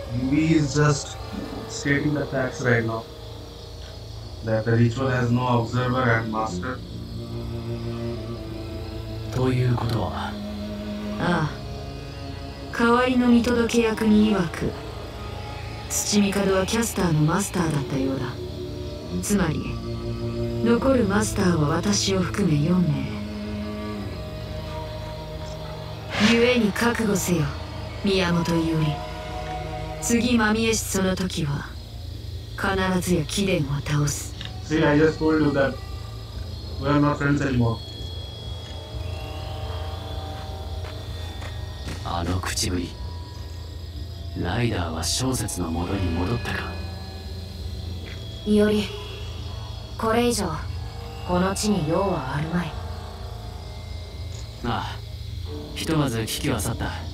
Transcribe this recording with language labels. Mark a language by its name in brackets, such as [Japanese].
[English] He is just stating the facts right now that the ritual has no observer and master. [Japanese] ということは、ああ、代わりの見届け役に曰く、土見門はキャスターのマスターだったようだ。つまり残るマスターは私を含め4名。ゆえに覚悟せよ、宮本伊織。次マミエシその時は必ずや貴殿を倒す。 [English] See, I just told you that we are not friends anymore. [Japanese] あの口ぶり、ライダーは小説の元に戻ったか。イオリ、これ以上この地に用はあるまい。ああ、ひとまず危機は去った。